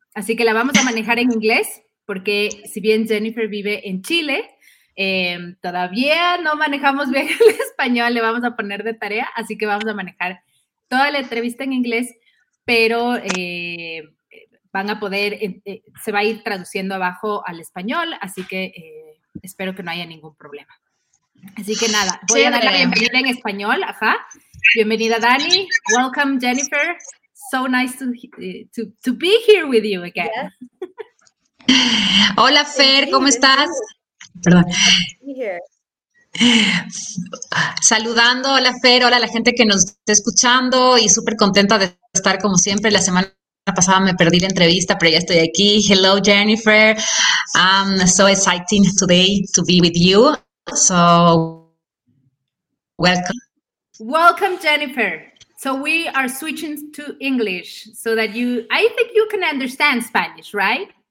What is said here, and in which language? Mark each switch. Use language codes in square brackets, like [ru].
[es] Así que la vamos a manejar en inglés porque si bien Jennifer vive en Chile, todavía no manejamos bien el español, le vamos a poner de tarea, así que vamos a manejar toda la entrevista en inglés, pero se va a ir traduciendo abajo al español, así que espero que no haya ningún problema. Así que nada, voy a dar la bienvenida en español, ajá. Bienvenida Dani, [en] welcome Jennifer, so nice to be here with you again. Yes. [es] Hola Fer, ¿cómo estás? Perdón. Saludando, hola Fer, hola a la gente que nos está escuchando y súper contenta de estar como siempre. La semana pasada me perdí la entrevista, pero ya estoy aquí. [en] Hello Jennifer, so exciting today to be with you. So welcome. Welcome Jennifer. So we are switching to English so that I think you can understand Spanish, right?